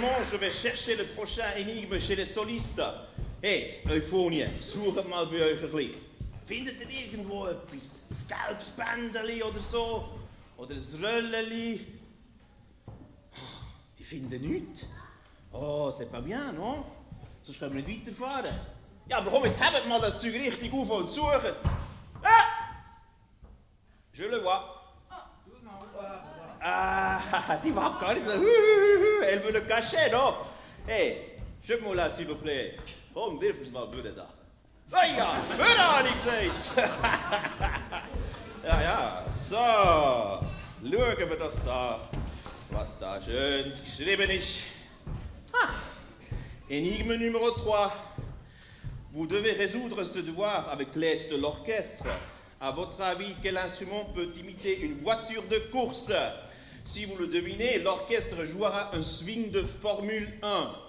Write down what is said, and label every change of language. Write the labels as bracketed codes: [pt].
[fr] Je vais chercher le prochain énigme chez les solistes. [de] Hé, hey, Euphonie, suche mal bei euch ein bisschen. Findet ihr irgendwo etwas? Das Gelbsbändeli oder so? Oder das Rölleli? Die finden nichts. Oh, c'est pas bien, non? Sonst können wir nicht weiterfahren. Ja, aber komm, jetzt hebt mal das Zeug richtig auf und suchen. Ah! Je le vois. Ah, die war gar nicht so. [fr] Elle veut le cacher, non? Hey, schieb-moi là, s'il vous plaît. [de] Komm, wirf uns mal bitte da. Ah ja, für alle gesagt. Ja, ja, so. Schauen wir doch da, was da schön geschrieben ist. [fr] Ha! Énigme numéro 3. Vous devez résoudre ce devoir avec l'aide de l'orchestre. À votre avis, quel instrument peut imiter une voiture de course? Si vous le devinez, l'orchestre jouera un swing de Formule 1.